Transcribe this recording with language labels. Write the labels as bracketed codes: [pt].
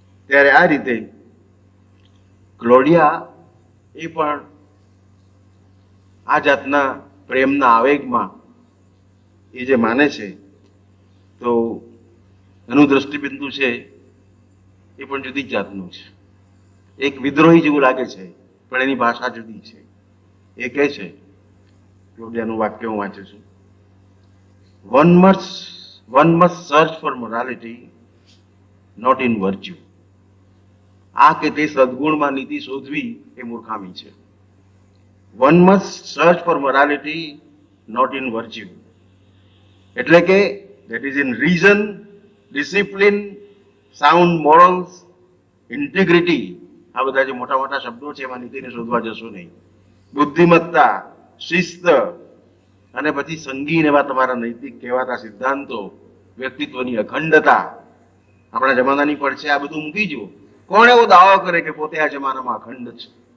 [gu] ત્યારે આ રીતે ક્લોડિયા એ પણ આ જાતના પ્રેમના આવેગમાં એ જે માને છે, તો એનું દ્રષ્ટિબિંદુ છે એ પણ જુદી જાતનું છે. એક વિદ્રોહી જેવું લાગે છે, પણ એની ભાષા જુદી છે. એ કહે છે, ક્લોડિયાનું વાક્ય હું વાંચું છું. [en] One must search for morality, not in virtue. [gu] આ કે તે સદગુણમાં નીતિ શોધવી એ મૂર્ખામી છે. [en] One must search for morality, not in virtue. [gu] એટલે કે [en] that is in reason, discipline, sound morals, integrity. [gu] આ બધા જે મોટા મોટા શબ્દો છે એમાં નીતિને શોધવા જશો નહીં. બુદ્ધિમત્તા, શિસ્ત અને પછી સંગીન એવા તમારા નૈતિક કહેવાતા સિદ્ધાંતો, વ્યક્તિત્વની અખંડતા, આપણા જમાનાની પણ છે, આ બધું મૂકી જુઓ. કોણ એવો દાવો કરે કે પોતે આ જમાનામાં અખંડ છે?